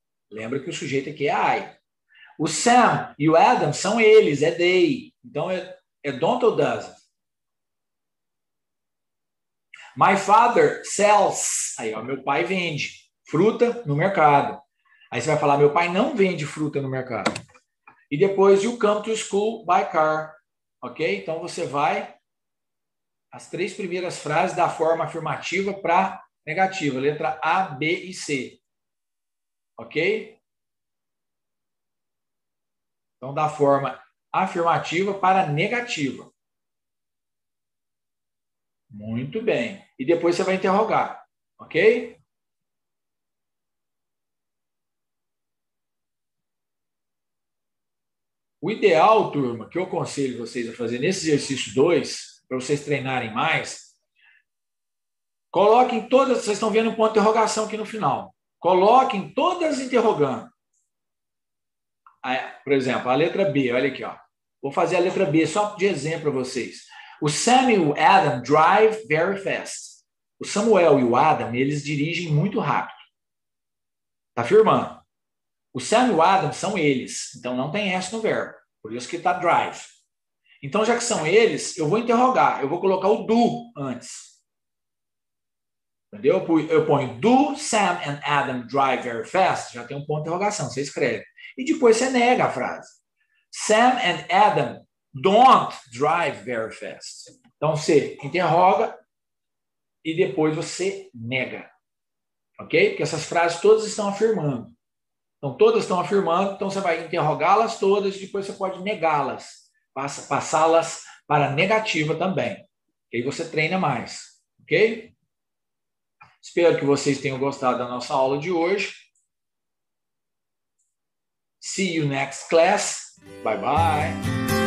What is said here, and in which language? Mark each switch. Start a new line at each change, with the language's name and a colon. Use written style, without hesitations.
Portuguese: Lembra que o sujeito aqui é I. O Sam e o Adam são eles, é they. Então é don't ou doesn't.
English: My father sells.
Portuguese: Aí, ó, meu pai vende fruta no mercado. Aí você vai falar, meu pai não vende fruta no mercado. E depois,
English: you come to school by car. Ok?
Portuguese: Então você vai as três primeiras frases da forma afirmativa para negativa, letra A, B e C. Ok? Então, da forma afirmativa para negativa. Muito bem. E depois você vai interrogar. Ok? O ideal, turma, que eu aconselho vocês a fazer nesse exercício 2, para vocês treinarem mais, coloquem todas, vocês estão vendo um ponto de interrogação aqui no final. Coloquem todas interrogando. Por exemplo, a letra B, olha aqui, ó. Vou fazer a letra B só de exemplo para vocês.
English: O Sam e o Adam drive very fast.
Portuguese: O Samuel e o Adam, eles dirigem muito rápido. Tá firmando? O Sam e o Adam são eles, então não tem S no verbo. Por isso que está drive. Então, já que são eles, eu vou interrogar. Eu vou colocar o do antes. Entendeu? Eu ponho
English: do Sam and Adam drive very fast.
Portuguese: Já tem um ponto de interrogação, você escreve. E depois você nega a frase.
English: Sam and Adam don't drive very fast.
Portuguese: Então, você interroga e depois você nega. Ok? Porque essas frases todas estão afirmando. Então, todas estão afirmando, então você vai interrogá-las todas e depois você pode negá-las, passá-las para negativa também. E aí você treina mais, ok? Espero que vocês tenham gostado da nossa aula de hoje.
English: See you next class. Bye bye.